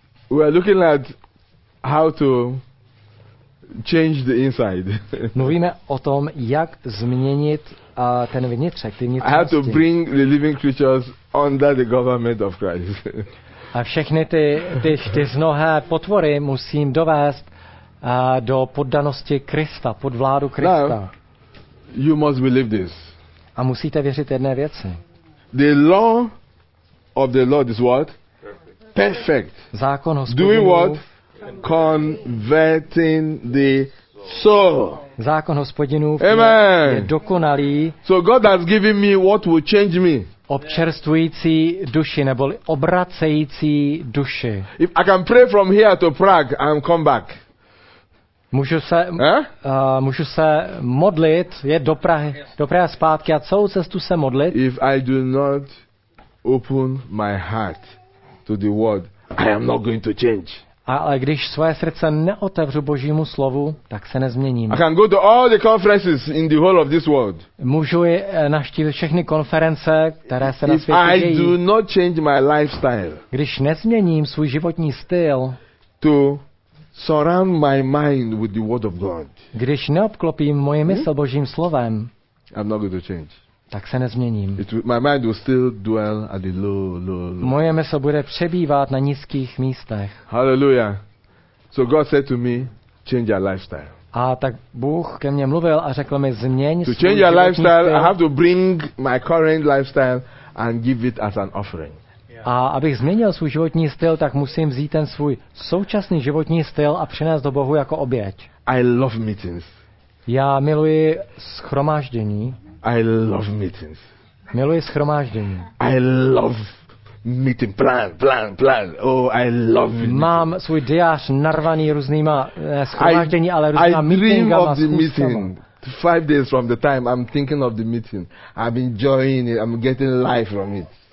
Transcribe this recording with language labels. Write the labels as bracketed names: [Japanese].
[English] We are looking at how to change the inside. [Czech] Mluvíme o tom, jak změnit ten vnitřek, ty vnitřnosti. [English] I have to bring the living creatures under the government of Christ. [Czech] A všechny ty čtyřnohé potvory musím dovést do poddanosti Krista, pod vládu Krista. [English] Now, you must believe this. [Czech] A musíte věřit jedné věci. [English] The law of the Lord is what? Perfect. [Czech] Zákon hospodinův. [English] Doing what? Converting the soul. [Czech] Zákon hospodinův. [English] Amen. [Czech] Je dokonalý. [English] So God has given me what will change me. [Czech] Občerstvující duši neboli obracející duši. [English] If I can pray from here to Prague and come back. [Czech] Můžu se modlit, jet do Prahy, zpátky a celou cestu se modlit. [English] If I do not open my heart to the word, I am not going to change. [Czech] Ale když svoje srdce neotevřu Božímu slovu, tak se nezměním. [English] I can go to all the conferences in the whole of this world. [Czech] Můžu navštívit všechny konference, které se na světě dějí. [English] I do not change my lifestyle. [Czech] Když nezměním svůj životní styl [English] to surround my mind with the word of God. [Czech] Když neobklopím moje mysl Božím slovem, [English] I'm not going to change. [Czech] Tak se nezměním. [English] My mind will still dwell at the low. [Czech] Moje mysl bude přebývat na nízkých místech. [English] Hallelujah. So God said to me, change your lifestyle. [Czech] A tak Bůh ke mně mluvil a řekl mi, změň svůj životní styl. [English] Lifestyle, I have to bring my current lifestyle and give it as an offering. [Czech] A abych změnil svůj životní styl, tak musím vzít ten svůj současný životní styl a přinést do Bohu jako oběť. [English] I love meetings. [Czech] Já miluji shromáždění. [English] I love meetings. [Czech] Miluji shromáždění. [English] I love meeting plan. Oh, I love meetings. [Czech] Mám svůj diář narvaný různýma shromáždění, ale různýma meetingama. [English] I dream of the meeting. 5 days from the time I'm thinking of the meeting. I'm enjoying it. I'm getting life from it.